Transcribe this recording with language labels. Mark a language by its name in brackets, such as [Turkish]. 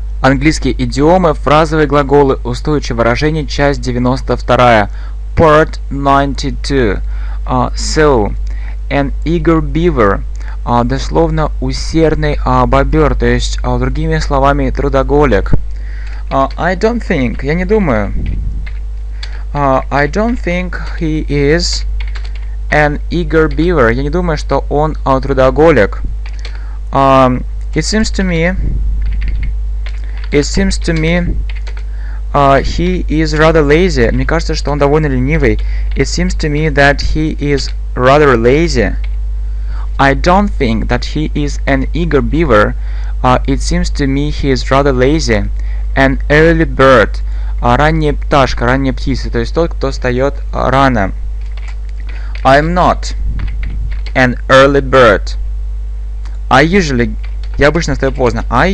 [Russian] Английские идиомы, фразовые глаголы, устойчивые выражения, часть 92. [English] Part 92. An eager beaver. [Russian] Дословно усердный бобер, то есть другими словами трудоголик. [English] I don't think. [Russian] Я не думаю. [English] I don't think he is an eager beaver. [Russian] Я не думаю, что он трудоголик. [English] It seems to me. It seems to me he is rather lazy. [Russian] Мне кажется, что он довольно ленивый. [English] It seems to me that he is rather lazy. I don't think that he is an eager beaver. It seems to me he is rather lazy. An early bird. [Russian] Ранняя пташка, ранняя птица. То есть тот, кто встает рано. [English] I'm not an early bird. [Russian] Я обычно встаю поздно.